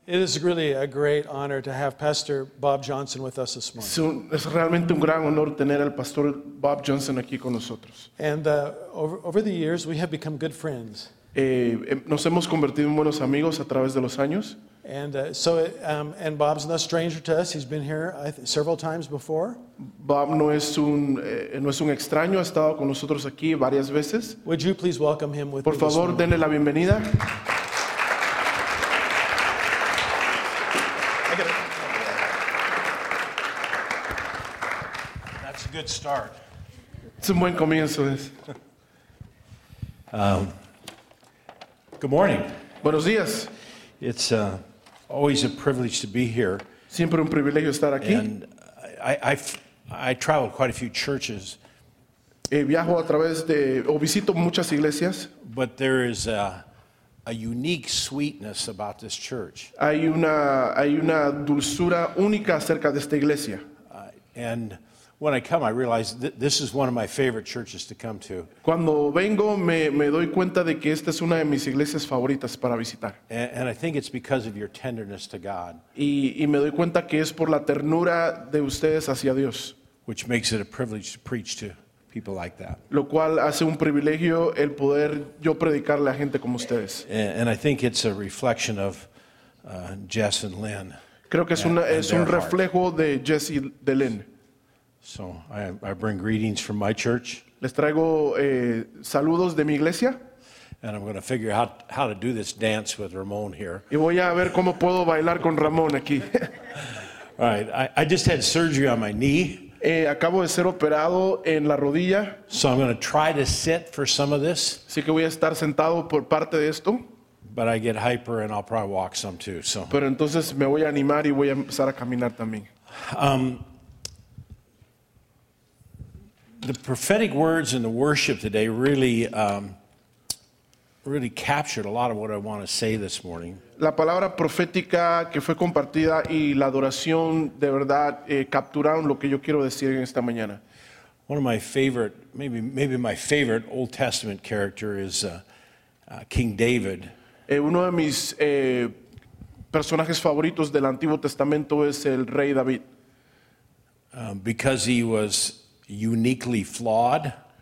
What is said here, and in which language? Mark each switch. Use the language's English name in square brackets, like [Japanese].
[English] It is really a great honor to have Pastor Bob Johnson with us this morning. [Spanish] Es realmente un gran honor tener al Pastor Bob Johnson aquí con nosotros. [English] And over the years, we have become good friends. [Spanish] Nos hemos convertido en buenos amigos a través de los años. [English] And Bob's no stranger to us. He's been here several times before. [Spanish] Bob no es un extraño. Ha estado con nosotros aquí varias veces. [English] Would you please welcome him with [Spanish] Por favor, [English] this [Spanish] denle la bienvenida. [English] Good start. It's a [Spanish] buen comienzo. [English] Good morning. [Spanish] Buenos días. [English] It's always a privilege to be here. [Spanish] Siempre un privilegio estar aquí. [English] And I travel quite a few churches. [Spanish] Viajo a través de o visito muchas iglesias. [English] But there is a unique sweetness about this church. [Spanish] Hay una dulzura única acerca de esta iglesia. [English] And when I come, I realize this is one of my favorite churches to come to. [Spanish] Cuando vengo, me doy cuenta de que esta es una de mis iglesias favoritas para visitar. [English] And I think it's because of your tenderness to God. [Spanish] Y me doy cuenta que es por la ternura de ustedes hacia Dios. [English] Which makes it a privilege to preach to people like that. [Spanish] Lo cual hace un privilegio el poder yo predicarle a gente como ustedes. [English] And I think it's a reflection of Jess and Lynn. [Spanish] Creo que es un reflejo de Jess y de Lynn. [English] So I bring greetings from my church. [Spanish] Les traigo saludos de mi iglesia. [English] And I'm going to figure out how to do this dance with Ramon here. [Spanish] Y voy a ver cómo puedo bailar con Ramon aquí. [English] All right, I just had surgery on my knee. [Spanish] Acabo de ser operado en la rodilla. [English] So I'm going to try to sit for some of this. [Spanish] Así que voy a estar sentado por parte de esto. [English] But I get hyper and I'll probably walk some too. So. [Spanish] Pero entonces me voy a animar y voy a empezar a caminar también. [English] The prophetic words in the worship today really captured a lot of what I want to say this morning. [Spanish] La palabra profética que fue compartida y la adoración de verdad capturaron lo que yo quiero decir en esta mañana. [English] One of my favorite, maybe my favorite Old Testament character is King David. [Spanish] Uno de mis personajes favoritos del Antiguo Testamento es el rey David. [English] Because he was uniquely flawed,